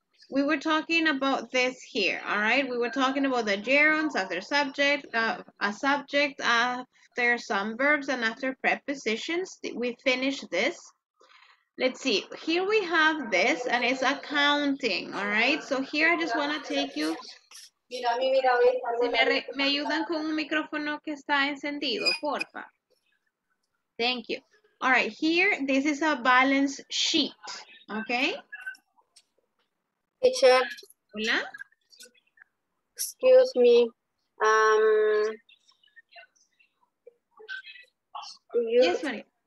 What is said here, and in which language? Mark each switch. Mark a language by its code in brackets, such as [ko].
[en] We were talking about this here, all right? We were talking about the gerunds after subject, a subject after some verbs and after prepositions. We finished this. Let's see, here we have this and it's accounting, all right? So here I just wanna take you. [es] Me ayudan con un micrófono que está encendido, porfa. [en] Thank you. All right, here, this is a balance sheet, okay? Teacher. [es] Hola. [en] Excuse me. Yes, Maria.